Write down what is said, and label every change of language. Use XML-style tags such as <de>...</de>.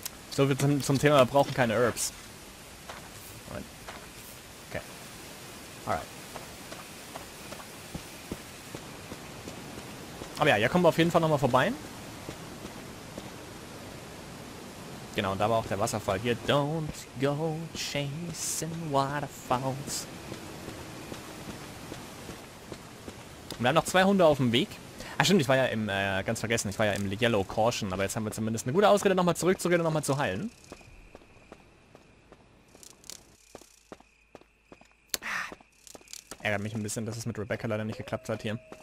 <de>So, wir zum Thema, wir brauchen keine Herbs.</de> <en>Okay. Alright.</en> <de>Aber ja, hier kommen wir auf jeden Fall nochmal vorbei. Genau, und da war auch der Wasserfall.</de> <en>Hier, don't go chasing waterfalls.</en> <de>Wir haben noch 2 Hunde auf dem Weg. Ah stimmt, ich war ja im, ganz vergessen, ich war ja im Yellow Caution, aber jetzt haben wir zumindest eine gute Ausrede, nochmal zurückzugehen und nochmal zu heilen. Ärgert mich ein bisschen, dass es mit Rebecca leider nicht geklappt hat hier.</de>